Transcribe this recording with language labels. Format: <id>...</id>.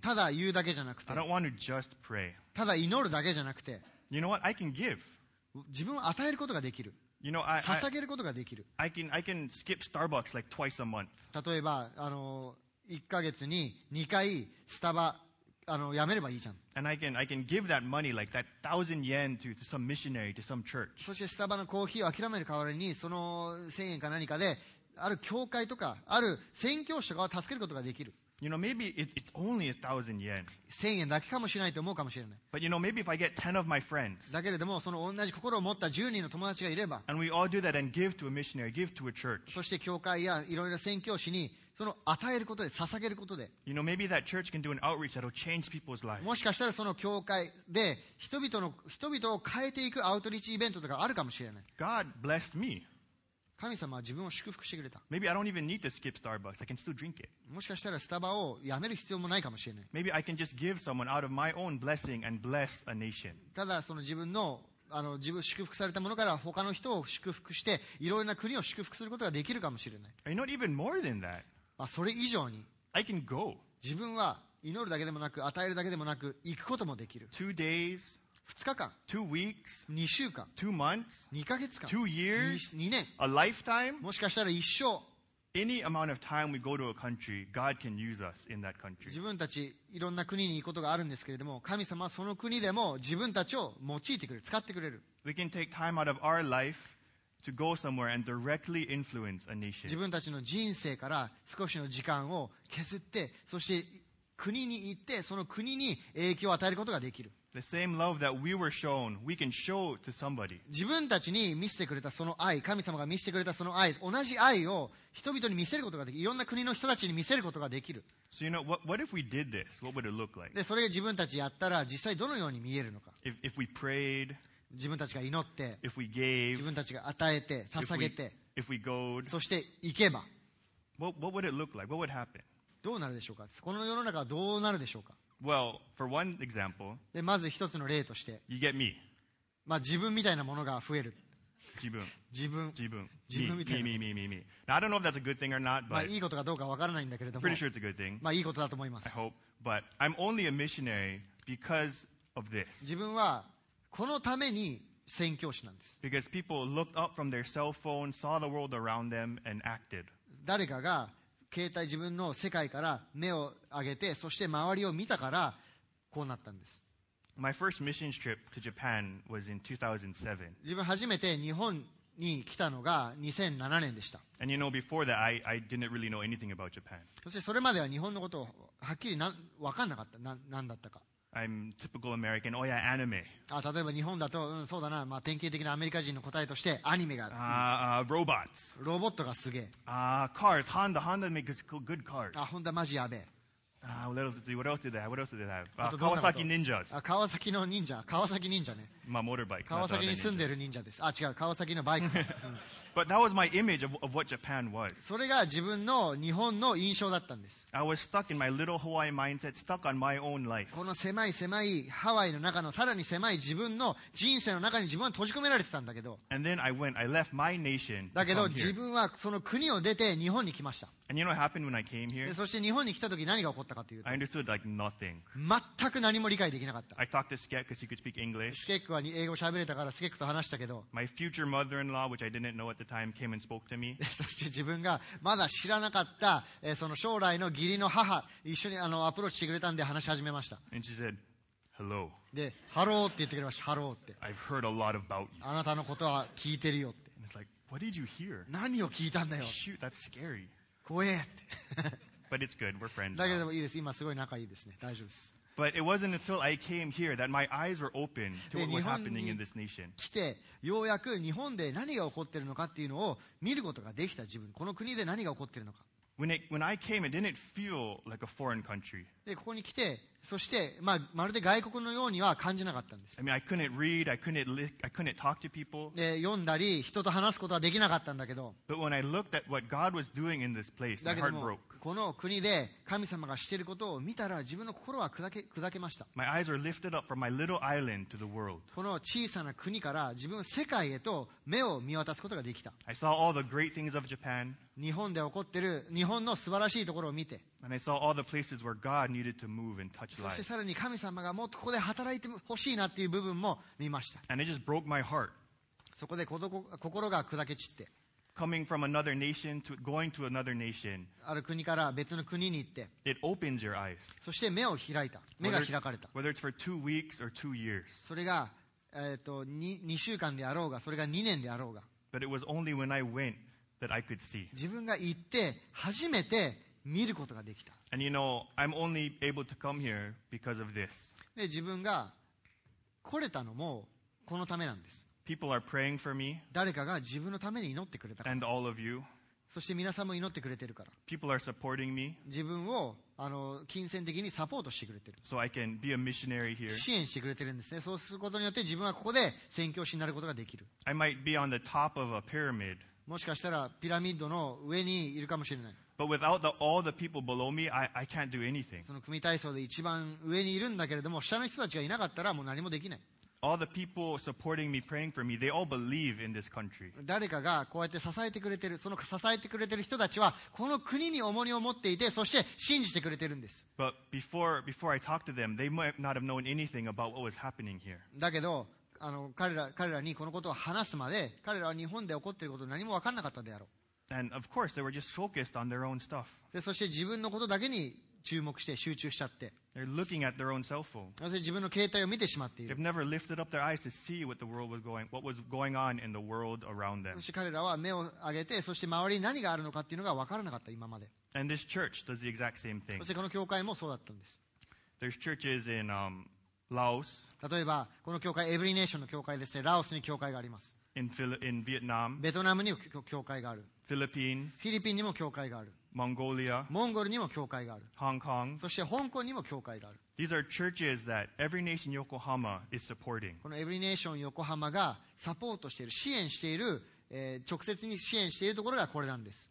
<ja>ただ言うだけじゃなくて。</ja> <en>I don't want to just pray.</en> <ja>ただ祈るだけじゃなくて。</ja> <en>You know what? I can give.</en> <ja>自分を与えることができる。</ja> <en>You know, I</en> <ja>捧げることができる。</ja> <en>I can skip Starbucks like twice a month.</en> <ja>例えば1ヶ月に2回スタバやめればいいじゃん。</ja> <en>And I can give that money like that 1,000 yen to some missionary to some church.</en> <ja>そしてスタバのコーヒーを諦める代わりにその1000円か何かである教会とかある宣教師とかを助けることができる。</ja> <en>You know, maybe it's only 1,000 yen.</en> <ja>千円だけかもしれないと思うかもしれない。</ja> <en>But you know, maybe if I get 10 of my friends.</en> <ja>だけれどもその同じ心を持った10人の友達がいれば。</ja> <en>And we all do that and give to a missionary, give to a church.</en> <ja>そして教会やいろいろ宣教師にその与えることで捧げることで。</ja> <en>You know, maybe that church can do an outreach that'll change people's lives.</en> <ja>もしかしたらその教会で人々を変えていくアウトリーチイベントとかあるかもしれない。</ja> <en>God blessed me.</en> <ja>神様は自分を祝福してくれた。</ja> <en>Maybe I don't even need to skip Starbucks. I can still drink it.</en> <ja>もしかしたらスタバをやめる必要もないかもしれない。</ja> <en>Maybe I can just give someone out of my own blessing and bless a nation.</en> <ja>ただその自分の自分祝福されたものから他の人を祝福していろいろな国を祝福することができるかもしれない。</ja> <en>I know even more than that.</en> <ja>それ以上に。</ja> <en>I can go.</en> <ja>自分は祈るだけでもなく与えるだけでもなく行くこともできる。</ja> <en>Two days.</en> <ja>2日間、</ja> <en>2 weeks,</en> <ja>2週間、</ja> <en>2 months,</en> <ja>2ヶ月間、</ja> <en>2 years,</en> <ja>2年、</ja> <en>a lifetime,</en> <ja>もしかしたら一生、</ja> <en>any amount of time we go to a country, God can use us in that country.</en> <ja>自分たちいろんな国に行くことがあるんですけれども、神様はその国でも自分たちを用いてくれる、使ってくれる。</ja> <en>We can take time out of our life to go somewhere and directly influence a nation.</en> <ja>自分たちの人生から少しの時間を削って、そして国に行ってその国に影響を与えることができる。</ja> <en>The same love that we were shown, we can show to somebody.</en> <ja>自分たちに見せてくれたその愛、神様が見せてくれたその愛、同じ愛を人々に見せることができる。いろんな国の人たちに見せることができる。</ja> <en>So you know, what if we did this? What would it look like?</en> <ja>で、それが自分たちやったら実際どのように見えるのか。</ja> <en>If we prayed,</en> <ja>自分たちが祈って、</ja> <en>if we gave,</en> <ja>自分たちが与えて、捧げて、</ja> <en>if we goed,</en> <ja>そして行けば、</ja> <en>what would it look like? What would happen?</en> <ja>どうなるでしょうか。この世の中はどうなるでしょうか。</ja> <en>Well, for one example,</en> <ja>でまず一つの例として、</ja> <en>you get me.</en> <ja>まあ自分みたいなものが増える。自分みたいな。</ja> <en>Me. Now, I don't know if that's a good thing or not, but</en> <ja>まあいいことかどうかわからないんだけれども、</ja> <en>pretty sure it's a good thing.</en> <ja>まあいいことだと思います。</ja> <en>I hope, but I'm only a missionary because of this.</en> <ja>自分はこのために宣教師なんです。</ja> <en>Because people looked up from their cell phone, saw the world around them, and acted.</en> <ja>誰かが携帯自分の世界から目を上げて、そして周りを見たからこうなったんです。</ja> <en>My first missions trip to Japan was in 2007.</en> <ja>自分初めて日本に来たのが2007年でした。</ja> <en>And you know, before that, I didn't really know anything about Japan.</en> <ja>そしてそれまでは日本のことをはっきり分かんなかった。何だったか。</ja> <en>I'm typical American. Oh yeah, anime.</en> <ja>Ah, 例えば日本だと、うん、そうだな、まあ典型的なアメリカ人の答えとしてアニメが。</ja> <en>Ah, robots.</en> <ja>ロボットがすげえ。</ja> <en>Ah, cars. Honda. Honda makes good cars.</en> <ja>Ah, Honda マジやべえ。</ja> <en>Ah, what else did they? What else did they have? Kawasaki ninjas.</en> <ja>Ah, Kawasaki の忍者。 Kawasaki 忍者ね。まあ motorbike. Kawasaki に住んでる忍者です。ah, 違う。Kawasaki のバイク。</ja> <en>But that was my image of what Japan was.</en> <ja>それが自分の日本の印象だったんです。</ja> <en>I was stuck in my little Hawaii mindset, stuck on my own life.</en> <ja>この狭いハワイの中のさらに狭い自分の人生の中に自分は閉じ込められてたんだけど。</ja> <en>And then I left my nation.</en> <ja>だけど自分はその国を出て日本に来ました。</ja> <en>And you know what happened when I came here?</en> <ja>そして日本に来た時何が起こったかというと。</ja> <en>I understood like nothing.</en> <ja>全く何も理解できなかった。</ja> <en>I talked to Skek because he could speak English.</en> <ja>スケックは英語喋れたからスケックと話したけど。</ja> <en>My future mother-in-law, which I didn't know at the time came and spoke to me.</en> <ja>そして自分がまだ知らなかった、その将来の義理の母一緒にアプローチしてくれたんで話し始めました。</ja> <en>And she said, "Hello."</en> <ja>で、ハローって言ってくれました。ハローって。</ja> <en>I've heard a lot about you.</en> <ja>あなたのことは聞いてるよって。</ja> <en>And it's like, "What did you hear?"</en> <ja>何を聞いたんだよ。</ja> <en>Shoot, that's scary.</en> <ja>怖えって。</ja> <en>But it's good. We're friends.</en> <ja>だけどいいです。今すごい仲いいですね。大丈夫です。</ja> <en>But it wasn't until I came here that my eyes were open to what was happening in this nation.</en> <ja>来てようやく日本で何が起こってるのかっていうのを見ることができた自分。この国で何が起こってるのか。</ja> <en>When I came, it didn't feel like a foreign country.</en> <ja>でここに来て、そして、まあ、まるで外国のようには感じなかったんです。</ja> <en>I mean, I couldn't read, I couldn't talk to people.</en> <ja>で読んだり人と話すことはできなかったんだけど。</ja> <en>But when I looked at what God was doing in this place, my heart broke.</en> <ja>この国で神様がしていることを見たら自分の心は砕けました。</ja> <en>My eyes are lifted up from my little island to the world.</en> <ja>この小さな国から自分世界へと目を見渡すことができた。</ja> <en>I saw all the great things of Japan.</en> <ja>日本で起こっている日本の素晴らしいところを見て。</ja> <en>And I saw all the places where God needed to move and touch life.</en> <ja>そしてさらに神様がもっとここで働いてほしいなっていう部分も見ました。</ja> <en>And it just broke my heart.</en> <ja>そこで心が砕け散って。</ja> <en>Coming from another nation to going to another nation.</en> <ja>ある国から別の国に行って。</ja> <en>It opens your eyes.</en> <ja>そして目を開いた。目が開かれた。</ja> <en>Whether it's for 2 weeks or 2 years.</en> <ja>それが2週間であろうが、それが2年であろうが。</ja> <en>But it was only when I went that I could see.</en> <ja>自分が行って初めて見ることができた。</ja> <en>And you know, I'm only able to come here because of this.</en> <ja>で、自分が来れたのもこのためなんです。</ja> <en>People are praying for me.</en> <ja>誰かが自分のために祈ってくれたから。</ja> <en>And all of you.</en> <ja>そして皆さんも祈ってくれてるから。</ja> <en>People are supporting me.</en> <ja>自分を金銭的にサポートしてくれてる。</ja> <en>So I can be a missionary here.</en> <ja>支援してくれてるんですね。そうすることによって自分はここで宣教師になることができる。</ja> <en>I might be on the top of a pyramid.</en> <ja>もしかしたらピラミッドの上にいるかもしれない。</ja> <en>But without all the people below me, I can't do anything.</en> <ja>その組体操で一番上にいるんだけれども、下の人たちがいなかったらもう何もできない。</ja> <en>All the people supporting me, praying for me, they all believe in this country.</en> <ja>誰かがこうやって支えてくれてる、その支えてくれてる人たちはこの国に重荷を持っていて、そして信じてくれてるんです。</ja> <en>But before I talked to them, they might not have known anything about what was happening here.</en> <ja>だけど彼らにこのことを話すまで、彼らは日本で起こっていることを何も分かんなかったであろう。</ja> <en>And of course, they were just focused on their own stuff.</en> <ja>で、そして自分のことだけに注目して集中しちゃって。</ja> <en>They're looking at their own cell phone.</en> <ja>そして自分の携帯を見てしまっている。</ja> <en>They've never lifted up their eyes to see what the world was going, what was going on in the world around them.</en> <ja>そして彼らは目を上げて、そして周りに何があるのかっていうのが分からなかった今まで。</ja> <en>And this church does the exact same thing.</en> <ja>そしてこの教会もそうだったんです。</ja> <en>There's churches in Laos.</en> <ja>例えばこの教会、エブリネーションの教会ですね。ラオスに教会があります。</ja> <en>In Vietnam.</en> <ja>ベトナムにも教会がある。</ja> <en>Philippines.</en> <ja>フィリピンにも教会がある。</ja> <en>Mongolia,</en> <ja>モンゴルにも教会がある。</ja> <en>Hong Kong,</en> <ja>そして香港にも教会がある。</ja> <en>These are churches that Every Nation Yokohama is supporting.</en> <ja>このEvery Nation Yokohamaがサポートしている、支援している、直接に支援しているところがこれなんです。</ja>